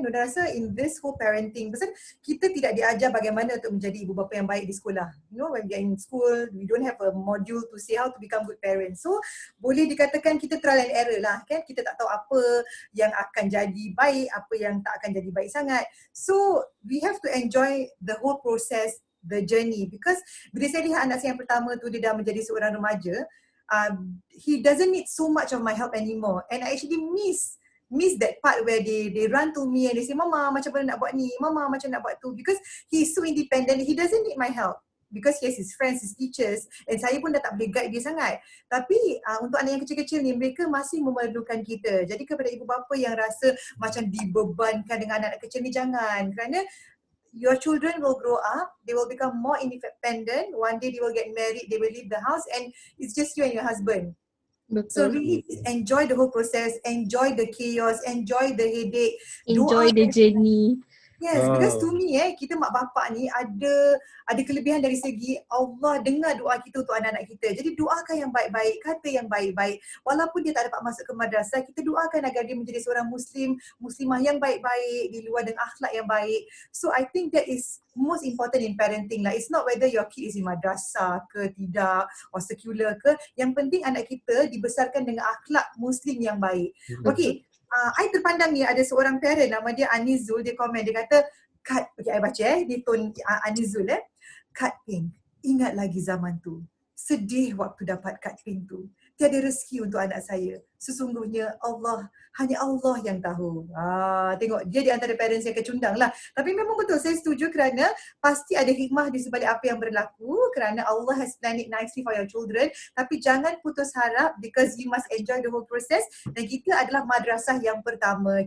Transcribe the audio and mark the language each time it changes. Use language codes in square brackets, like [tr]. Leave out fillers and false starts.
[ms] Nona rasa [en] in this whole parenting, [ms] pasal kita tidak diajar bagaimana untuk menjadi ibu bapa yang baik di sekolah. [en] You know, when we are in school, we don't have a module to say how to become good parents. [ms] So, boleh dikatakan kita [en] trial and error [ms] lah kan. Kita tak tahu apa yang akan jadi baik, apa yang tak akan jadi baik sangat. [en] So, we have to enjoy the whole process, the journey. [ms] Because bila saya lihat anak saya yang pertama tu, dia dah menjadi seorang remaja, [en] he doesn't need so much of my help anymore. And I actually miss that part where they run to me and they say, [ms] Mama, macam mana nak buat ni? Mama, macam nak buat tu? [en] Because he's so independent, he doesn't need my help. Because he has his friends, his teachers, and [ms] saya pun dah tak boleh guide dia sangat. Tapi untuk anak yang kecil-kecil ni, mereka masih memerlukan kita. Jadi kepada ibu bapa yang rasa macam dibebankan dengan anak kecil ni, jangan. [en] Kerana your children will grow up, they will become more independent, one day they will get married, they will leave the house and it's just you and your husband. Betul. So really enjoy the whole process, enjoy the chaos, enjoy the headache, enjoy the journey. Yes, because to me [ms] kita mak bapak ni ada kelebihan dari segi Allah dengar doa kita untuk anak-anak kita. Jadi doakan yang baik-baik, kata yang baik-baik. Walaupun dia tak dapat masuk ke madrasah, kita doakan agar dia menjadi seorang Muslim, Muslimah yang baik-baik, di luar dengan akhlak yang baik. [en] So I think that is most important in parenting lah. It's not whether your kid is in madrasah [ms] ke tidak, [en] or secular ke. [ms] Yang penting anak kita dibesarkan dengan akhlak Muslim yang baik. Okay. I terpandang ni ada seorang parent, nama dia Anizul, dia komen, dia kata, Kat, okay, I baca di tone Anizul Kat Pink, ingat lagi zaman tu, sedih waktu dapat Kat Pink tu, tiada rezeki untuk anak saya, sesungguhnya Allah, hanya Allah yang tahu. Tengok, dia di antara parents yang kecundang lah. Tapi memang betul, saya setuju kerana pasti ada hikmah di sebalik apa yang berlaku, kerana [en] Allah has planned it nicely for your children. [ms] Tapi jangan putus harap, [en] because you must enjoy the whole process. [ms] Dan kita adalah madrasah yang pertama.